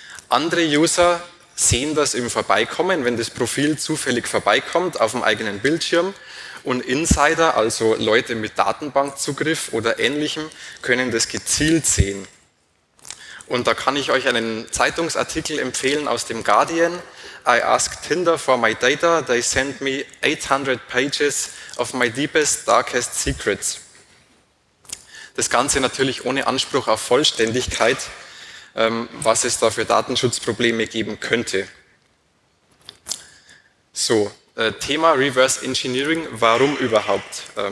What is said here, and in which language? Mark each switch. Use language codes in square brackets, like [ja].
[de] Andere User sehen das im Vorbeikommen, wenn das Profil zufällig vorbeikommt auf dem eigenen Bildschirm. Und Insider, also Leute mit Datenbankzugriff oder Ähnlichem, können das gezielt sehen. Und da kann ich euch einen Zeitungsartikel empfehlen aus dem Guardian. [en] I ask Tinder for my data, they send me 800 pages of my deepest, darkest secrets. [de] Das Ganze natürlich ohne Anspruch auf Vollständigkeit, was es da für Datenschutzprobleme geben könnte. So, Thema Reverse Engineering, warum überhaupt?